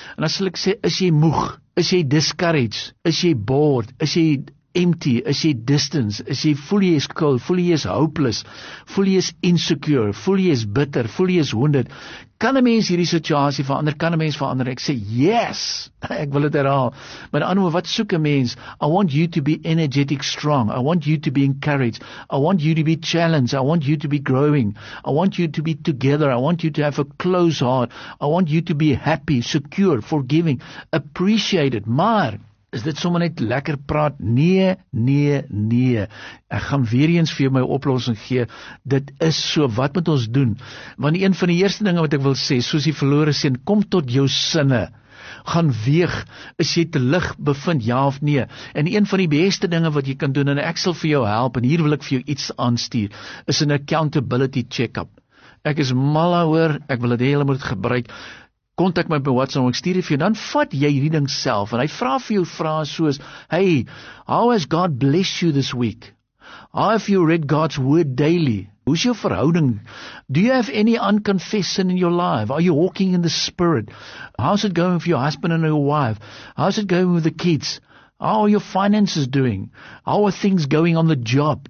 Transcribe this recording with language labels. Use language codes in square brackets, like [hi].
[af] En dan sal ek sê, is jy moeg? Is jy discouraged? Is jy bored? Is jy empty? Is jy distance? Is jy voel jy is cold? Voel jy is hopeless? Voel jy is insecure? Voel jy is bitter? Voel jy is wounded? Kan 'n mens hierdie situasie verander? Kan 'n mens verander? Ek sê yes. Ek wil dit herhaal. Maar aan wat soek 'n mens? [en] I want you to be energetic strong. I want you to be encouraged. I want you to be challenged. I want you to be growing. I want you to be together. I want you to have a close heart. I want you to be happy, secure, forgiving, appreciated. [af] Maar is dit sommer net lekker praat? Nee, nee, nee. Ek gaan weer eens vir jou my oplossing gee. Dit is so, wat moet ons doen? Want een van die eerste dinge wat ek wil sê, soos die verlore seun, kom tot jou sinne. Gaan weeg, is jy te lig bevind, ja of nee? En een van die beste dinge wat jy kan doen, en ek sal vir jou help, en hier wil ek vir jou iets aanstuur, is 'n accountability check-up. Ek is mal oor, ek wil dit hele moet gebruik, kontak my by WhatsApp, ek stuur vir jou, dan vat jy hierdie ding self, en hy vra vir jou vrae soos, [en] hey, how has God blessed you this week? How have you read God's word daily? [af] Hoe is jou verhouding? [en] Do you have any unconfessed sin in your life? Are you walking in the spirit? How's it going with your husband and your wife? How's it going with the kids? How are your finances doing? How are things going on the job?